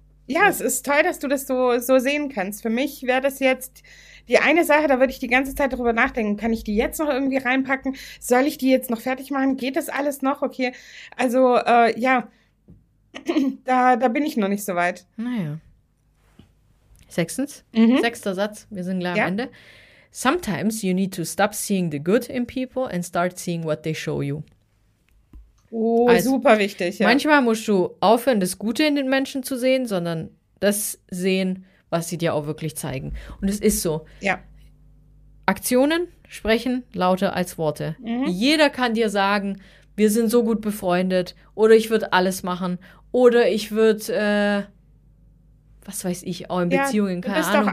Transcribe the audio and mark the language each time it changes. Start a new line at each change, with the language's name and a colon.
German: Ja, es ist toll, dass du das so sehen kannst. Für mich wäre das jetzt die eine Sache, da würde ich die ganze Zeit drüber nachdenken. Kann ich die jetzt noch irgendwie reinpacken? Soll ich die jetzt noch fertig machen? Geht das alles noch? Okay, also Da bin ich noch nicht so weit. Naja. Sechstens, sechster Satz, wir sind gleich am Ende.
English: Sometimes you need to stop seeing the good in people and start seeing what they show you.
German: Oh, also, super wichtig. Ja. Manchmal musst du aufhören, das Gute in den Menschen zu sehen, sondern das sehen, was sie dir auch wirklich zeigen. Und es ist so. Ja. Aktionen sprechen lauter als Worte. Jeder kann dir sagen, wir sind so gut befreundet, oder ich würde alles machen, oder ich würde, was weiß ich, auch in Beziehungen, keine Ahnung. Du bist doch